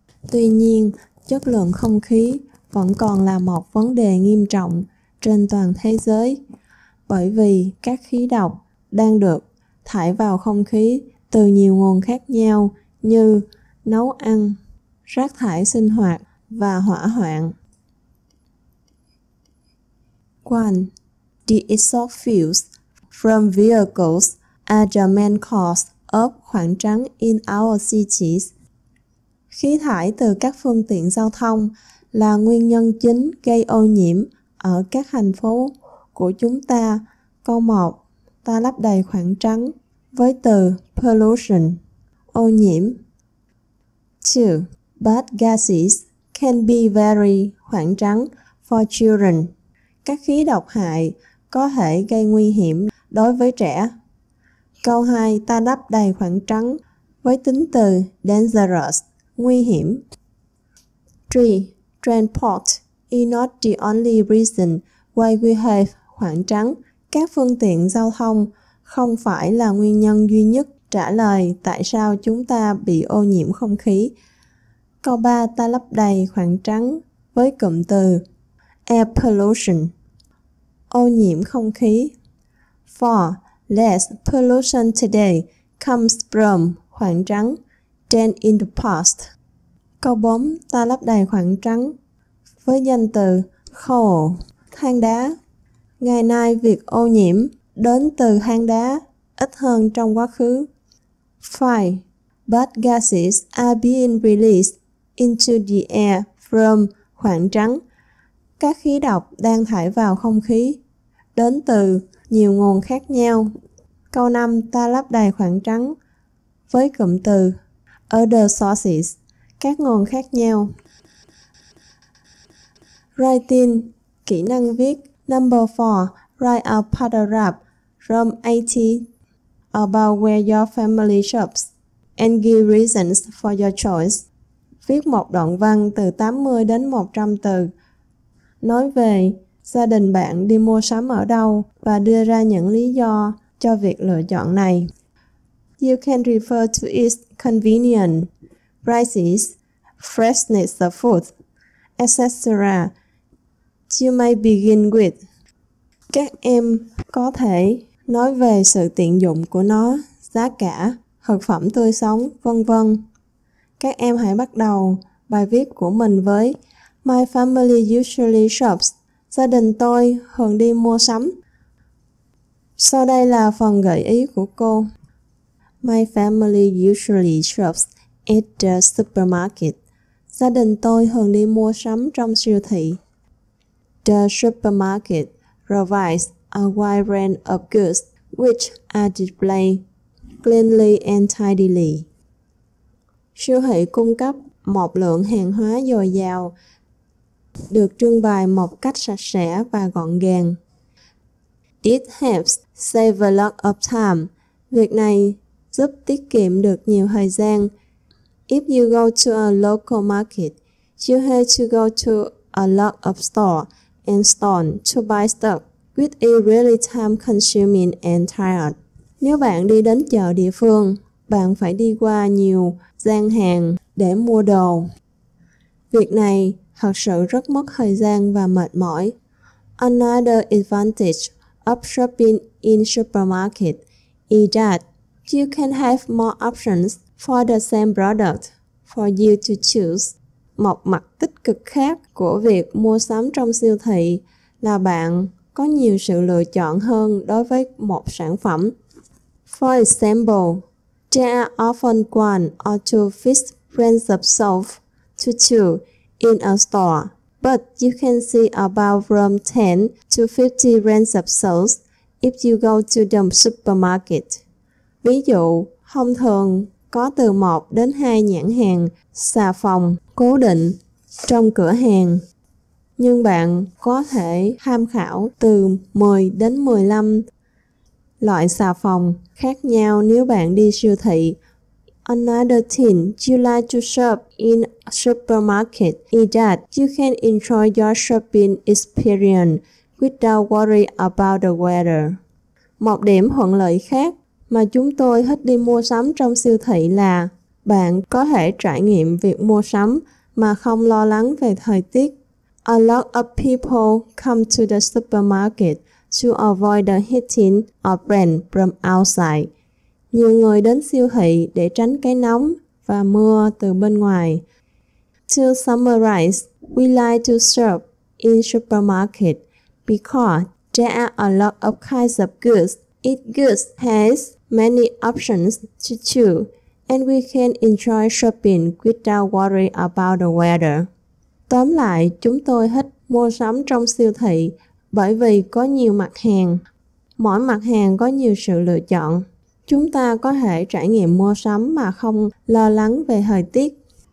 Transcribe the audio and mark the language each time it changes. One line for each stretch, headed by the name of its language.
Vietnamese: Tuy nhiên, chất lượng không khí vẫn còn là một vấn đề nghiêm trọng trên toàn thế giới, bởi vì các khí độc đang được thải vào không khí từ nhiều nguồn khác nhau như nấu ăn, rác thải sinh hoạt và hỏa hoạn. 1.
English: The exhaust fumes from vehicles are the main cause of
Vietnamese: khoảng trắng
English: in our cities.
Vietnamese: Khí thải từ các phương tiện giao thông là nguyên nhân chính gây ô nhiễm ở các thành phố của chúng ta. Câu 1. Ta lấp đầy khoảng trắng với từ pollution, ô nhiễm. 2.
English: Bad gases can be very
Vietnamese: khoảng trắng
English: for children.
Vietnamese: Các khí độc hại có thể gây nguy hiểm đối với trẻ. Câu 2, ta đắp đầy khoảng trắng với tính từ dangerous, nguy hiểm. 3.
English: Transport is not the only reason why we have
Vietnamese: khoảng trắng. Các phương tiện giao thông không phải là nguyên nhân duy nhất trả lời tại sao chúng ta bị ô nhiễm không khí. Câu 3, ta lấp đầy khoảng trắng với cụm từ air pollution, ô nhiễm không khí. 4.
English: Less pollution today comes from
Vietnamese: khoảng trắng
English: than in the past.
Vietnamese: Câu 4. Ta lấp đầy khoảng trắng với danh từ coal, than đá. Ngày nay, việc ô nhiễm đến từ than đá ít hơn trong quá khứ. 5.
English: Bad gases are being released into the air from
Vietnamese: khoảng trắng Các khí độc đang thải vào không khí đến từ nhiều nguồn khác nhau. Câu 5, ta lấp đầy khoảng trắng với cụm từ other sources, các nguồn khác nhau. Writing, kỹ năng viết.
English: Number 4, write a paragraph from 80 about where your family shops and give reasons for your choice.
Vietnamese: Viết một đoạn văn từ 80 đến 100 từ nói về gia đình bạn đi mua sắm ở đâu và đưa ra những lý do cho việc lựa chọn này.
English: You can refer to its convenient prices, freshness of food, etc. You may begin with.
Vietnamese: Các em có thể nói về sự tiện dụng của nó, giá cả, thực phẩm tươi sống, vân vân. Các em hãy bắt đầu bài viết của mình với
English: My family usually shops.
Vietnamese: Gia đình tôi thường đi mua sắm. Sau đây là phần gợi ý của cô.
English: My family usually shops at the supermarket.
Vietnamese: Gia đình tôi thường đi mua sắm trong siêu thị.
English: The supermarket provides a wide range of goods which are displayed cleanly and tidily.
Vietnamese: Siêu thị cung cấp một lượng hàng hóa dồi dào được trưng bày một cách sạch sẽ và gọn gàng.
English: It helps save a lot of time.
Vietnamese: Việc này giúp tiết kiệm được nhiều thời gian.
English: If you go to a local market, you have to go to a lot of store and stores to buy stuff, which is really time consuming and tired.
Vietnamese: Nếu bạn đi đến chợ địa phương, bạn phải đi qua nhiều gian hàng để mua đồ. Việc này thật sự rất mất thời gian và mệt mỏi.
English: Another advantage of shopping in supermarket is that you can have more options for the same product for you to choose.
Vietnamese: Một mặt tích cực khác của việc mua sắm trong siêu thị là bạn có nhiều sự lựa chọn hơn đối với một sản phẩm.
English: For example, there are often one or two fixed brands of soap to choose in a store, but you can see about from 10 to 50 brands of soap if you go to the supermarket.
Vietnamese: Ví dụ, thông thường có từ 1 đến 2 nhãn hàng xà phòng cố định trong cửa hàng, nhưng bạn có thể tham khảo từ 10 đến 15 loại xà phòng khác nhau nếu bạn đi siêu thị.
English: Another thing you like to shop in a supermarket is that you can enjoy your shopping experience without worry about the weather.
Vietnamese: Một điểm thuận lợi khác mà chúng tôi thích đi mua sắm trong siêu thị là bạn có thể trải nghiệm việc mua sắm mà không lo lắng về thời tiết.
English: A lot of people come to the supermarket to avoid the heating of rain from outside.
Vietnamese: Nhiều người đến siêu thị để tránh cái nóng và mưa từ bên ngoài.
English: To summarize, we like to shop in supermarket because there are a lot of kinds of goods. Each good has many options to choose, and we can enjoy shopping without worry about the weather.
Vietnamese: Tóm lại, chúng tôi thích mua sắm trong siêu thị bởi vì có nhiều mặt hàng. Mỗi mặt hàng có nhiều sự lựa chọn. Chúng ta có thể trải nghiệm mua sắm mà không lo lắng về thời tiết.